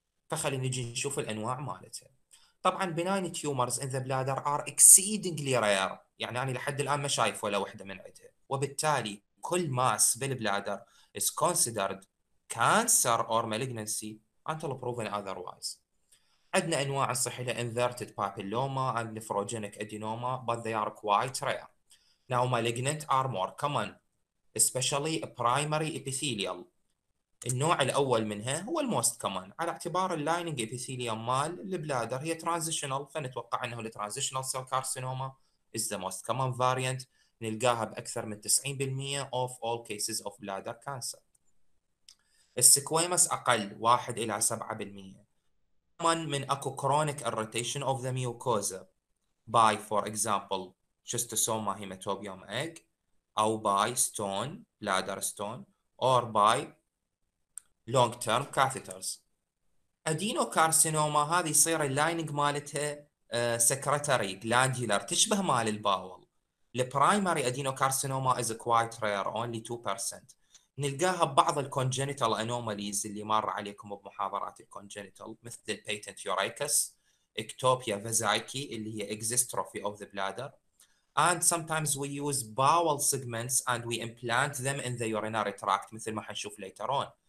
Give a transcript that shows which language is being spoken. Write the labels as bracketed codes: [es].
[ar] فخلي نجي نشوف الانواع مالتها. طبعا بناين تيومرز ان ذا بلادر ار اكسيدنجلي رير، يعني انا لحد الان ما شايف ولا وحده من عندها، وبالتالي كل ماس بالبلادر [en] is considered cancer or malignancy until proven otherwise. [ar] عندنا انواع نصيحه [en] inverted papilloma and nephrogenic adenoma but they are quite rare. Now malignant are more common especially primary epithelial. [ar] النوع الاول منها هو [en] الموست كومن على اعتبار اللايننج ابيثيليوم مال البلادر هي ترانزيشنال، فنتوقع انه الترانزيشنال cell carcinoma is the most common variant، نلقاها باكثر من 90% of all cases of bladder cancer. [ar] السكويمس اقل 1 الى 7%. كومن من اكو [en] Chronic irritation of the mucosa by for example schistosoma hematobium egg او by stone bladder stone or by long term catheters. [ar] Adenocarcinoma هذه يصير اللايننج مالتها [en] secretory glandular [ar] تشبه مال الباول. [en] The primary adenocarcinoma is quite rare only 2%. نلقاها ببعض الكونجنتال انوماليز اللي مر عليكم بمحاضرات الكونجنتال مثل البيتنت يوريكس اكتوبيا فازايكي اللي هي exstrophy of the bladder and sometimes we use bowel segments and we implant them in the urinary tract [ar] مثل ما حنشوف [en] later on.